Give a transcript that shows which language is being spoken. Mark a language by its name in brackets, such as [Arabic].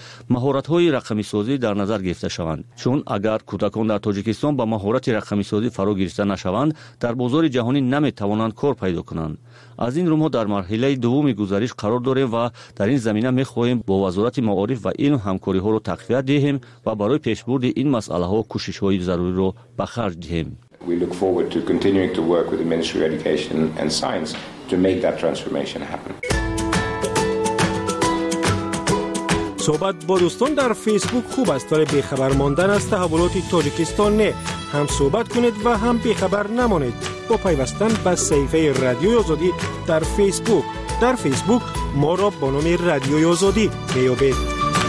[Persian] مهارت های رقمی سازی در نظر گرفته شوند، چون اگر کودکان در تاجیکستان به مهارت رقمی سازی فرا گرفته نشوند، در بازار جهانی نمیتوانند کار پیدا کنند. از این رو ما در مرحله دوم گزارش قرار داریم و در این زمینه می خواهیم با وزارت معارف و علم همکاری ها رو تقویت دهیم و برای پیشبرد این مسئله ها کوشش های ضروری رو به خرج دهیم. [English] We look forward to continuing to work with the Ministry of Education and Science to make that transformation happen. [Persian] صحبت با دوستان در فیسبوک خوب است، ولی بی خبر ماندن از تحولات تاجیکستان نه. هم صحبت کنید و هم بی خبر نمانید با پیوستن به صفحه رادیو آزادی در فیسبوک. در فیسبوک ما را با نام رادیو آزادی می‌یابید.